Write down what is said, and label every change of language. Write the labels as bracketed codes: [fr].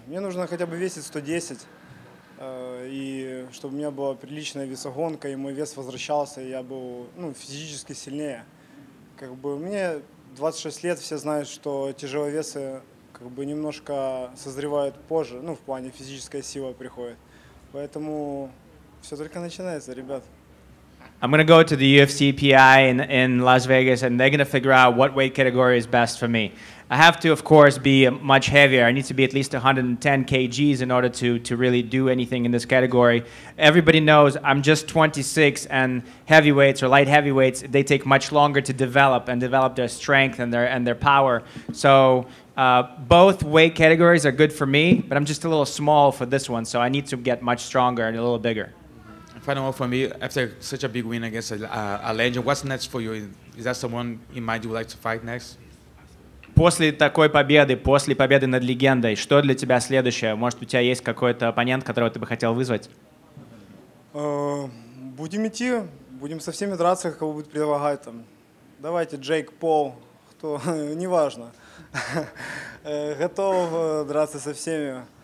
[ru] Мне нужно хотя бы весить 110. И чтобы у меня была приличная весогонка, и мой вес возвращался, и я был физически сильнее. Мне 26 лет, все знают, что тяжеловесы немножко созревают позже, в плане физическая сила приходит. Поэтому все только начинается, ребят. [en] I'm going to go to the UFC PI in Las Vegas, and they're going to figure out what weight category is best for me. I have to, of course, be much heavier. I need to be at least 110 kgs in order to really do anything in this category. Everybody knows I'm just 26, and heavyweights or light heavyweights, they take much longer to develop their strength and their power. So both weight categories are good for me, but I'm just a little small for this one, so I need to get much stronger and a little bigger. Final one for me, after such a big win against a legend, what's next for you? Is that someone in mind you would like to fight next? [ru] После такой победы, после победы над легендой, что для тебя следующее? Может, у тебя есть какой-то оппонент, которого ты бы хотел вызвать? Будем идти, будем со всеми драться, как его будут предлагать. Там. Давайте, Джейк, Пол, кто, неважно. Готов драться со всеми.